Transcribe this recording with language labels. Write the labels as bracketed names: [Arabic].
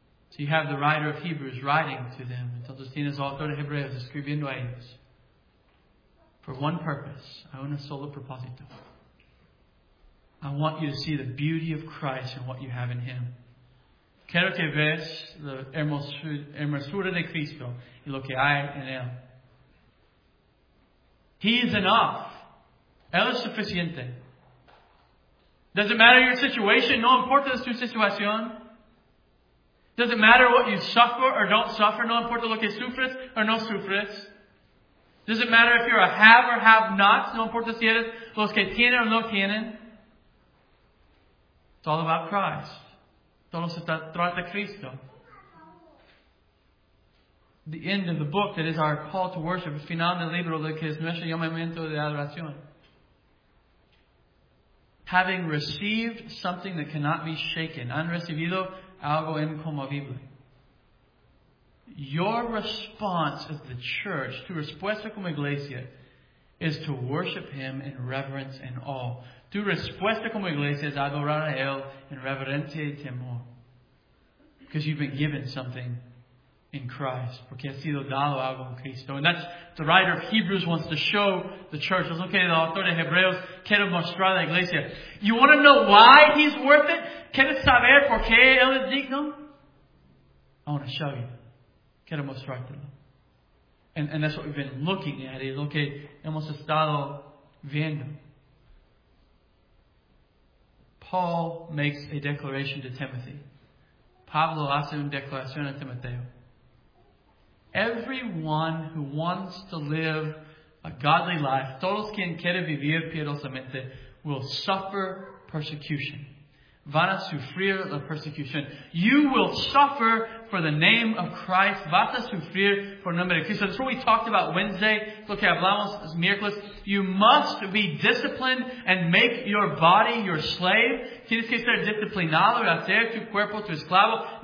[English] So you have the writer of Hebrews writing to them, [Spanish] entonces tienes autor de Hebreos escribiendo a ellos, [English] for one purpose, [Spanish] a una sola propósito. [English] I want you to see the beauty of Christ and what you have in Him. [Spanish] Quiero que veas la hermosura de Cristo y lo que hay en Él. [English] He is enough. [Spanish] Él es suficiente. [English] Does it matter your situation? [Spanish] No importa su situación. [English] Does it matter what you suffer or don't suffer? [Spanish] No importa lo que sufres or no sufres. [English] Does it matter if you're a have or have not? [Spanish] No importa si eres los que tienen o no tienen. [English] It's all about Christ. [Spanish] Todo se trata de Cristo. [English] The end of the book that is our call to worship. [Spanish] El final del libro de que es nuestro llamamiento de adoración. [English] Having received something that cannot be shaken. [Spanish] Han recibido algo inconmovible. [English] Your response as the church, [Spanish] tu respuesta como iglesia, [English] is to worship Him in reverence and awe. [Spanish] Tu respuesta como iglesia es adorar a Él en reverencia y temor. [English] Because you've been given something in Christ. [Spanish] Porque has sido dado algo en Cristo. [English] And that's the writer of Hebrews wants to show the church. [Spanish] Es lo que el autor de Hebreos quiere mostrar a la iglesia. [English] You want to know why He's worth it? [Spanish] ¿Quieres saber por qué Él es digno? [English] I want to show you. [Spanish] Quiero mostrártelo. [English] And that's what we've been looking at. [Spanish] Es lo que hemos estado viendo. [English] Paul makes a declaration to Timothy. [Spanish] Pablo hace una declaración a Timoteo. [English] Everyone who wants to live a godly life, [Spanish] todos quien quiere vivir piedosamente, [English] will suffer persecution. [Spanish] Van a sufrir la persecución. [English] You will suffer for the name of Christ. [Spanish] Vas a sufrir por el nombre de Cristo. [English] That's what we talked about Wednesday. [Spanish] Lo que hablamos es miércoles. [English] You must be disciplined and make your body your slave. [Spanish] Tienes que ser disciplinado y hacer tu cuerpo tu esclavo.